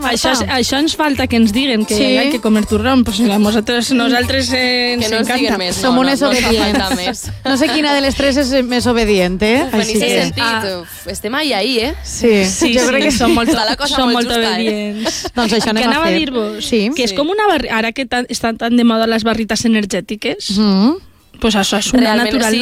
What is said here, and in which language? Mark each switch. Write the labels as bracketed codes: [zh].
[ca] això ens falta que ens diguen que sí. [es] Hay que comer turrón, pues [ca] a nosaltres ens que no encanta. Més, som unes obedients. No sé quina de les tres és més obedient, eh? Així en aquest sentit, estem ahí, eh? Sí, jo crec que sí. Som molt obedients. Doncs això anem a fer. Que anava a dir-vos, sí. Que és com una ara que estan tan de moda les barrites energètiques... Pues això és una natural.